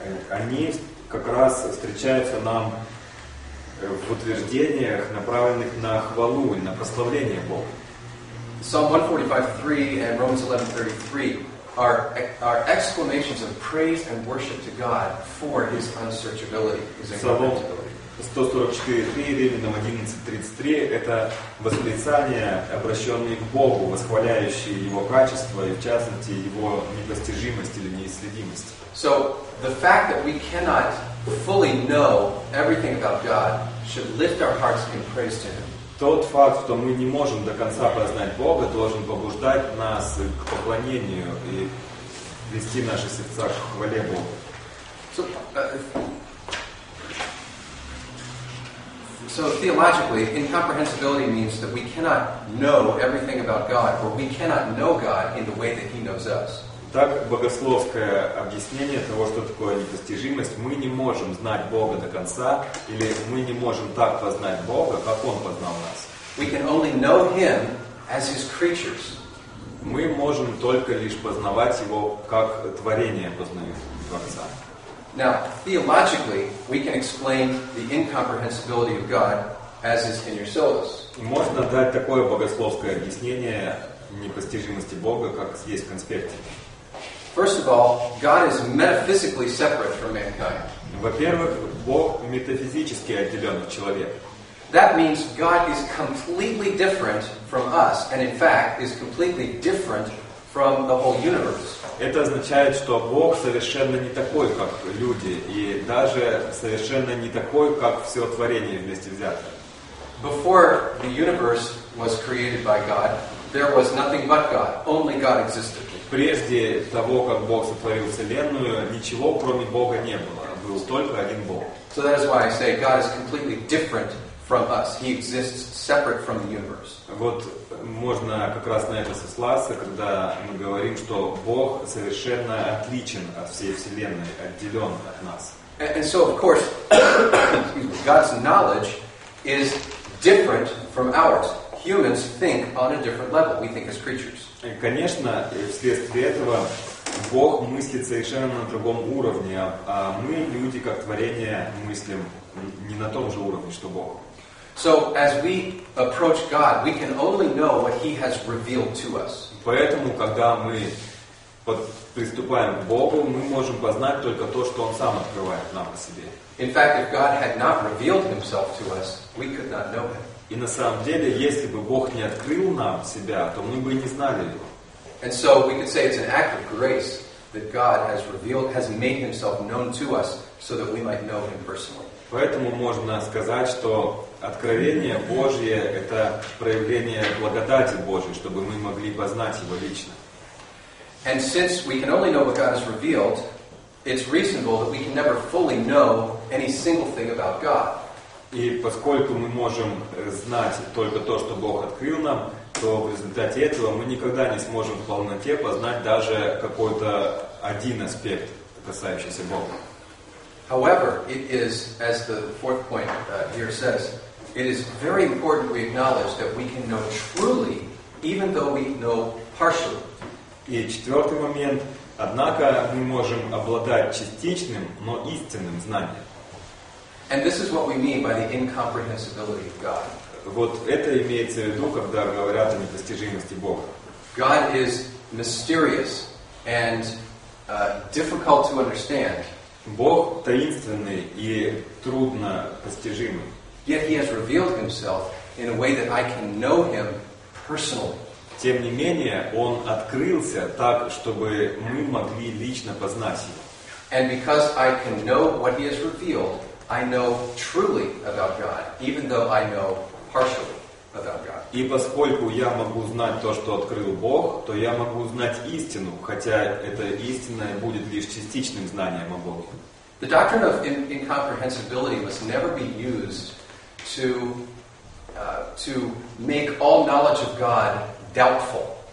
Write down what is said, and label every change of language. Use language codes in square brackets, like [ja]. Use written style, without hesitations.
[ru] Они как раз встречаются нам в утверждениях, направленных на хвалу и на прославление Бога. [en] Psalm 145:3 and Romans 11:33 are exclamations of praise and worship to God for His unsearchability, His incomprehensibility. [ru] 144:3 и Римлянам 11:33 это восклицания, обращенные к Богу, восхваляющие Его качества и, в частности, Его непостижимость или неисследимость. [en] So the fact that we cannot fully know everything about God should lift our hearts in praise to Him. [ru] Тот факт, что мы не можем до конца познать Бога, должен побуждать нас к поклонению и вести наши сердца к хвале Богу. [en] So theologically, incomprehensibility means that we cannot know everything about God, or we cannot know God in the way that He knows us. [ru] Так, богословское объяснение того, что такое непостижимость, мы не можем знать Бога до конца, или мы не можем так познать Бога, как Он познал нас. [en] We can only know Him as His creatures. [ru] Мы можем только лишь познавать Его, как творение познает Творца. [en] Now, theologically, we can explain the incomprehensibility of God as is in your syllabus. [ru] Можно дать такое богословское объяснение непостижимости Бога, как есть в конспекте. [en] First of all, God is metaphysically separate from mankind. [ru] Во-первых, Бог метафизически отделен от человека. [en] That means God is completely different from us, and in fact, is completely different from the whole universe. [ru] Это означает, что Бог совершенно не такой, как люди, и даже совершенно не такой, как все творение вместе взятое. [en] Before the universe was created by God, there was nothing but God. Only God existed. [ru] Прежде того, как Бог сотворил Вселенную, ничего кроме Бога не было. Был только один Бог. [en] So that is why I say God is completely different from us. He exists separate from the universe. [ru] Вот можно как раз на это сослаться, когда мы говорим, что Бог совершенно отличен от всей Вселенной, отделен от нас. [en] And so, of course, God's knowledge is different from ours. Humans think on a different level. We think as creatures. [ru] Конечно, вследствие этого Бог мыслит совершенно на другом уровне, а мы, люди, как творение, мыслим не на том же уровне, что Бог. [en] So as we approach God, we can only know what He has revealed to us. [ru] Поэтому, когда мы приступаем к Богу, мы можем познать только то, что Он сам открывает нам о себе. [en] In fact, if God had not revealed Himself to us, we could not know Him. [ru] И на самом деле, если бы Бог не открыл нам себя, то мы бы и не знали Его. [en] And so we could say it's an act of grace that God has revealed, has made Himself known to us, so that we might know Him personally. [ru] Поэтому можно сказать, что откровение Божье — это проявление благодати Божьей, чтобы мы могли познать Его лично. [en] And since we can only know what God has revealed, it's reasonable that we can never fully know any single thing about God. [ru] И поскольку мы можем знать только то, что Бог открыл нам, то в результате этого мы никогда не сможем в полноте познать даже какой-то один аспект, касающийся Бога. [en] However, it is, as the fourth point here says, it is very important we acknowledge that we can know truly, even though we know partially. [ru] И четвертый момент. Однако мы можем обладать частичным, но истинным знанием. [en] And this is what we mean by the incomprehensibility of God. [ru] Вот это имеется в виду, когда говорят о непостижимости Бога. [en] God is mysterious and difficult to understand. [ru] Бог таинственный и трудно постижимый. [en] Yet He has revealed Himself in a way that I can know Him personally. [ru] Тем не менее, Он открылся так, чтобы мы могли лично познать Его. [en] And because I can know what He has revealed, I know truly about God, even though I know partially about God. [ru] И поскольку я могу знать то, что открыл Бог, то я могу знать истину, хотя это истинное будет лишь частичным знанием о Боге. [en] The doctrine of incomprehensibility must never be used to make all knowledge of God doubtful.